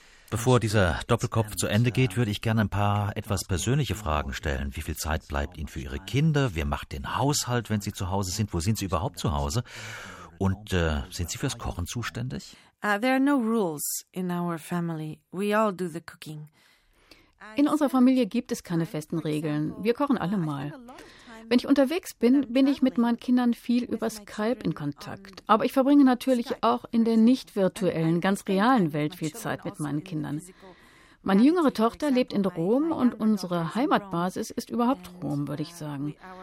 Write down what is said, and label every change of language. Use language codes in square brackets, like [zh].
[de] Bevor dieser Doppelkopf zu Ende geht, würde ich gerne ein paar etwas persönliche Fragen stellen. Wie viel Zeit bleibt Ihnen für Ihre Kinder? Wer macht den Haushalt, wenn Sie zu Hause sind? Wo sind Sie überhaupt zu Hause? Und sind Sie fürs Kochen zuständig? [en] There are no rules in our family. We all do the cooking. [de] In unserer Familie gibt es keine festen Regeln. Wir kochen alle mal. Wenn ich unterwegs bin, bin ich mit meinen Kindern viel über Skype in Kontakt. Aber ich verbringe natürlich auch in der nicht virtuellen, ganz realen Welt viel Zeit mit meinen Kindern. Meine jüngere Tochter lebt in Rom und unsere Heimatbasis ist überhaupt Rom, würde ich sagen.